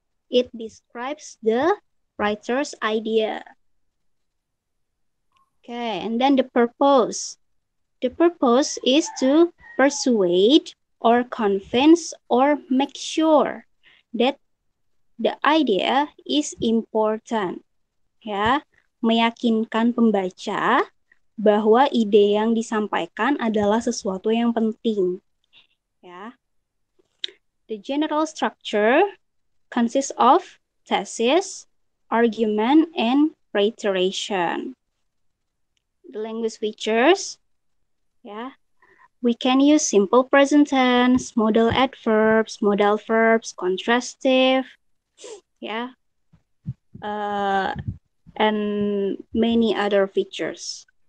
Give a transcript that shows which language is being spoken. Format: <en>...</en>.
<en>It describes the writer's idea. Okay, and then the purpose. The purpose is to persuade or convince or make sure that the idea is important.</en> <id>Yeah, meyakinkan pembaca bahwa ide yang disampaikan adalah sesuatu yang penting.</id> <en>Yeah. The general structure consists of thesis, argument, and reiteration. The language features, yeah, we can use simple present tense, modal adverbs, modal verbs, contrastive, yeah, and many other features.</en>